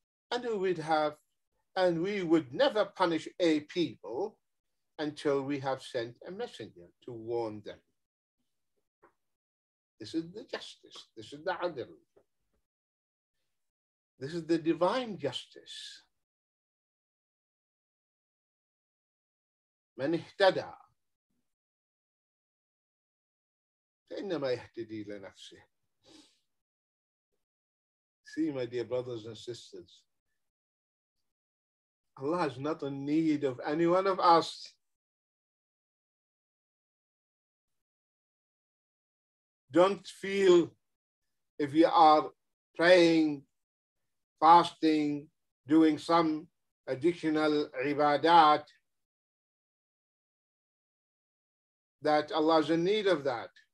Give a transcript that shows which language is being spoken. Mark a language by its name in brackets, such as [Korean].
[English] And we would never punish a people until we have sent a messenger to warn them. This is the justice. This is the adil. This is the divine justice. [Arabic] من اهتدى فإنما يهتدي لنفسه. [English] See, my dear brothers and sisters, Allah is not in need of any one of us. Don't feel if you are praying, fasting, doing some additional ibadat, that Allah is in need of that.